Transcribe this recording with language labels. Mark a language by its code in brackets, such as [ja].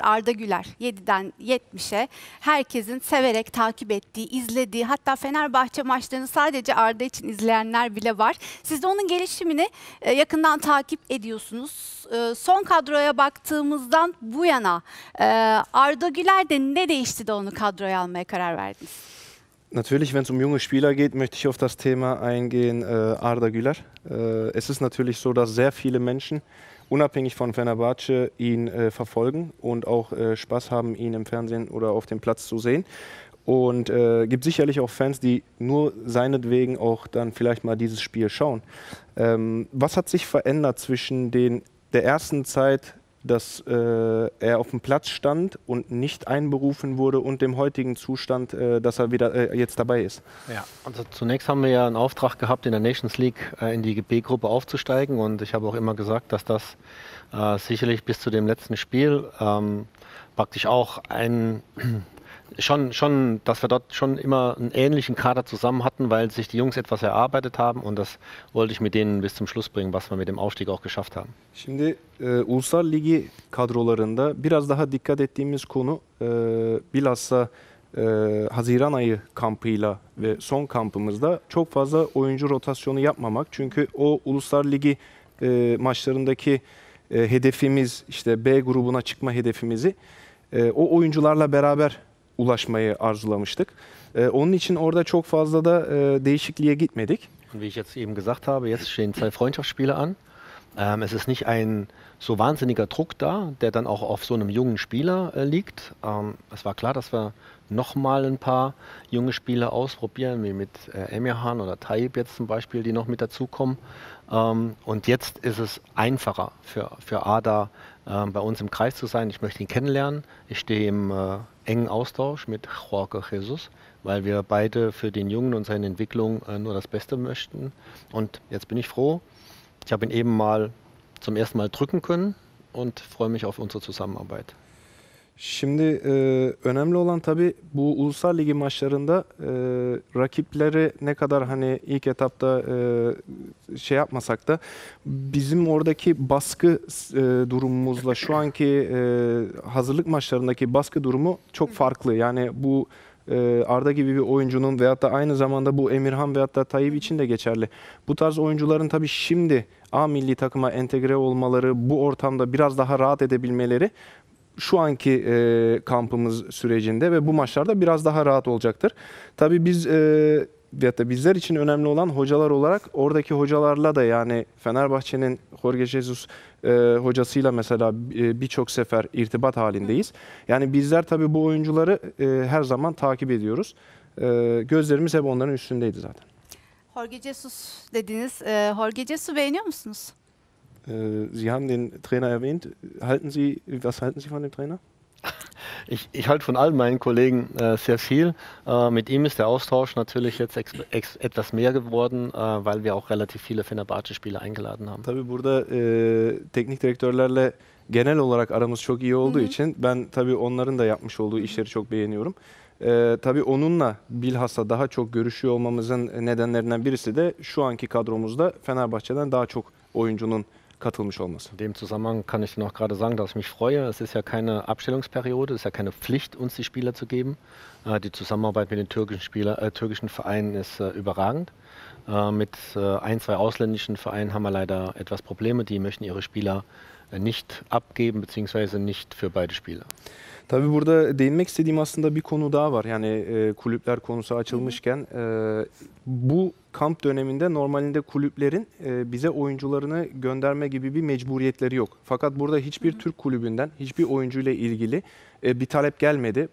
[tr] Arda Güler 7'den 70'e herkesin severek takip ettiği, izlediği, hatta Fenerbahçe maçlarını sadece Arda için izleyenler bile var. Siz de onun gelişimini yakından takip ediyorsunuz. Son kadroya baktığımızdan bu yana Arda Güler de ne değişti de onu kadroya almaya karar verdiniz? [de] Natürlich, wenn es junge Spieler geht, möchte ich auf das Thema eingehen, Arda Güler. Es ist natürlich so, dass sehr viele Menschen, unabhängig von Fenerbahçe, ihn verfolgen und auch Spaß haben, ihn im Fernsehen oder auf dem Platz zu sehen. Und gibt sicherlich auch Fans, die nur seinetwegen auch dann vielleicht mal dieses Spiel schauen. Was hat sich verändert zwischen der ersten Zeit, dass er auf dem Platz stand und nicht einberufen wurde, und dem heutigen Zustand, dass er wieder jetzt dabei ist? Ja, also zunächst haben wir ja einen Auftrag gehabt, in der Nations League in die B-Gruppe aufzusteigen. Und ich habe auch immer gesagt, dass das sicherlich bis zu dem letzten Spiel praktisch auch ein... Schon, dass wir dort schon immer einen ähnlichen Kader zusammen hatten, weil sich die Jungs etwas erarbeitet haben, und das wollte ich mit denen bis zum Schluss bringen, was wir mit dem Aufstieg auch geschafft haben. [tr] Şimdi Ulusal Ligi kadrolarında biraz daha dikkat ettiğimiz konu bilhassa Haziran ayı kampıyla ve son kampımızda çok fazla oyuncu rotasyonu yapmamak. Çünkü o Ulusal Ligi maçlarındaki hedefimiz, işte B grubuna çıkma hedefimizi o oyuncularla beraber ulaşmayı arzulamıştık. Onun için orada çok fazla da değişikliğe gitmedik. [de] Und wie ich jetzt eben gesagt habe, jetzt stehen zwei Freundschaftsspiele an. Es ist nicht ein so wahnsinniger Druck da, der dann auch auf so einem jungen Spieler liegt. Es war klar, dass wir nochmal ein paar junge Spieler ausprobieren, wie mit Emirhan oder Taib jetzt zum Beispiel, die noch mit dazukommen. Und jetzt ist es einfacher für Ada bei uns im Kreis zu sein. Ich möchte ihn kennenlernen. Ich stehe im engen Austausch mit Jorge Jesus, weil wir beide für den Jungen und seine Entwicklung nur das Beste möchten. Und jetzt bin ich froh. Ich habe ihn eben mal zum ersten Mal drücken können und freue mich auf unsere Zusammenarbeit. [tr] Şimdi önemli olan tabii bu Ulusal Ligi maçlarında rakipleri ne kadar hani ilk etapta şey yapmasak da bizim oradaki baskı durumumuzla şu anki hazırlık maçlarındaki baskı durumu çok farklı. Yani bu Arda gibi bir oyuncunun veyahut da aynı zamanda bu Emirhan veyahut da Tayyip için de geçerli. Bu tarz oyuncuların tabii şimdi A milli takıma entegre olmaları, bu ortamda biraz daha rahat edebilmeleri şu anki kampımız sürecinde ve bu maçlarda biraz daha rahat olacaktır. Tabii biz veyahut da bizler için önemli olan hocalar olarak oradaki hocalarla da, yani Fenerbahçe'nin Jorge Jesus hocasıyla mesela birçok sefer irtibat halindeyiz. Yani bizler tabii bu oyuncuları her zaman takip ediyoruz. Gözlerimiz hep onların üstündeydi zaten. Jorge Jesus dediniz. Jorge Jesus'u beğeniyor musunuz? [de] Sie haben den Trainer erwähnt. Was halten Sie von dem Trainer? Ich halte von all meinen Kollegen sehr viel. Mit ihm ist der Austausch natürlich jetzt etwas mehr geworden, weil wir auch relativ viele Fenerbahçe-Spieler eingeladen haben. [tr] Tabii burada teknikdirektörlerle genel olarak aramız çok iyi olduğu için ben tabii onların da yapmış olduğu işleri çok beğeniyorum. Tabii onunla bilhassa daha çok görüşüyor olmamızın nedenlerinden birisi de şu anki kadromuzda Fenerbahçe'den daha çok oyuncunun katılmış olması. [de] In dem Zusammenhang kann ich noch gerade sagen, dass ich mich freue. Es ist ja keine Abstellungsperiode, es ist ja keine Pflicht, uns die Spieler zu geben. Die Zusammenarbeit mit den türkischen Vereinen ist überragend. Mit ein, zwei ausländischen Vereinen haben wir leider etwas Probleme. Die möchten ihre Spieler nicht abgeben, beziehungsweise nicht für beide Spiele. [tr] Tabii burada değinmek istediğim aslında bir konu daha var. Yani kulüpler konusu açılmışken bu kamp döneminde normalinde kulüplerin bize oyuncularını gönderme gibi bir mecburiyetleri yok. Fakat burada hiçbir Türk kulübünden hiçbir oyuncuyla ilgili bir talep gelmedi.